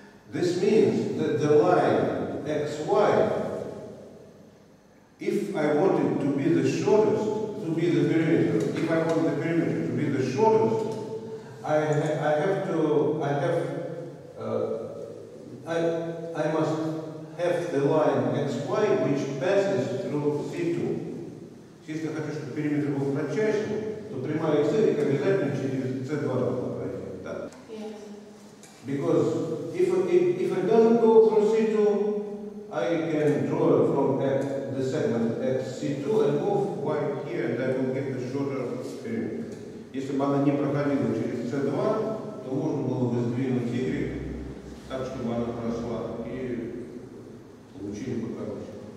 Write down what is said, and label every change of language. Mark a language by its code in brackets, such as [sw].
[en] This means that the line XY, if I want it to be the shortest, to be the perimeter, if I want the perimeter to be the shortest, I must have the line XY which passes through C2. [ru] Если я хочу, чтобы периметр был кратчайшим, то прямая x, y обязательно через C2 должна пройти. Да. [en] Yes. Because if it doesn't go through C2, I can draw from X, the segment at C2 and move Y here, and I will get the shorter perimeter. [ru] Если бы она не проходила через C2, то можно было бы сдвинуть Y так, чтобы она прошла, и получили бы короче.